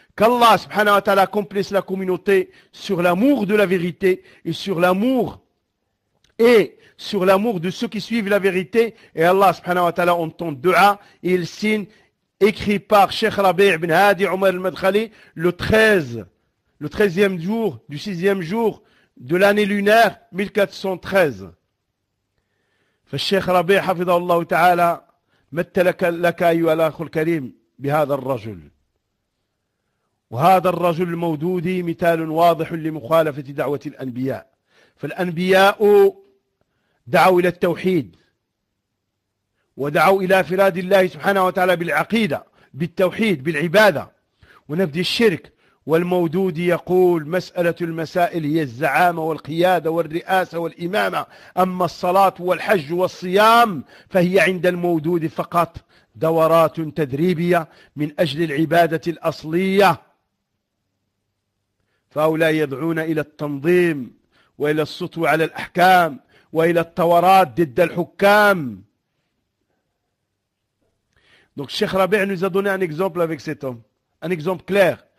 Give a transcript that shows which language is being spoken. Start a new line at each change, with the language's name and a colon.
French: Qu'Allah subhanahu wa ta'ala accomplisse la communauté sur l'amour de la vérité et sur l'amour de ceux qui suivent la vérité. Et Allah subhanahu wa ta'ala entend dua et il signe, écrit par Cheikh Rabi' ibn Hadi Omar al-Madkhali le 13e jour du 6e jour de l'année lunaire 1413.
Arabic: فالشيخ ربيع حفظه الله تعالى مثل لك أيها الأخ الكريم بهذا الرجل، وهذا الرجل المودودي مثال واضح لمخالفة دعوة الأنبياء. فالأنبياء دعوا إلى التوحيد ودعوا إلى فراد الله سبحانه وتعالى بالعقيدة بالتوحيد بالعبادة ونفي الشرك، والمودود يقول مسألة المسائل هي الزعامة والقيادة والرئاسة والإمامة، أما الصلاة والحج والصيام فهي عند المودود فقط دورات تدريبية من أجل العبادة الأصلية. فهؤلاء يدعون إلى التنظيم وإلى السطو على الأحكام وإلى الثورات ضد الحكام.
French: Donc Cheikh Rabi' nous a donné un exemple avec cet homme, un exemple clair.